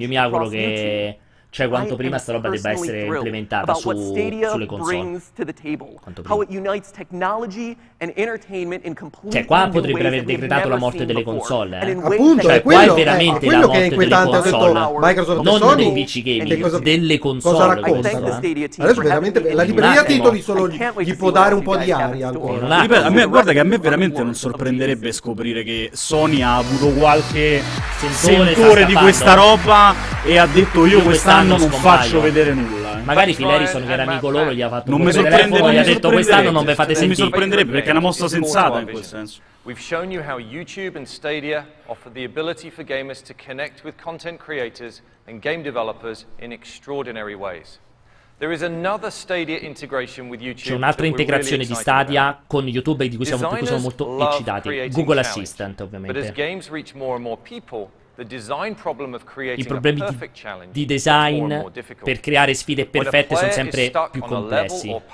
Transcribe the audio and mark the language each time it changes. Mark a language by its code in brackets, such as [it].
[it] Io mi auguro che cioè quanto prima sta roba debba essere implementata sulle console. [en] How it unites technology and entertainment in completely. [it] Cioè qua potrebbe aver decretato la morte delle console, eh? Appunto, cioè, quello, qua è veramente la morte che delle console. Microsoft non Sony, dei PC gaming, delle console. Cosa raccontano? Adesso veramente la libreria titoli solo gli può dare un po' di aria ancora. Ripeto, a me, guarda che a me veramente non sorprenderebbe scoprire che Sony ha avuto qualche sentore di questa roba e ha detto io quest'anno non faccio vedere nulla. Magari Phil Harrison, che era amico loro, gli ha fatto non mi sorprenderebbe, gli ha detto quest'anno non ve fate sentire. Mi sorprenderebbe perché è una mossa sensata in quel senso. [en] We've shown you how YouTube and Stadia offer the ability for gamers to connect with content creators and game developers in extraordinary ways. There is another Stadia integration with YouTube. [it] C'è un'altra integrazione di Stadia con YouTube di cui siamo molto eccitati. Google Assistant, ovviamente. [en] But as games reach more and more people, the design problem of creating [it] i problemi [en] a perfect challenge [it] di design per creare sfide perfette sono sempre più complessi.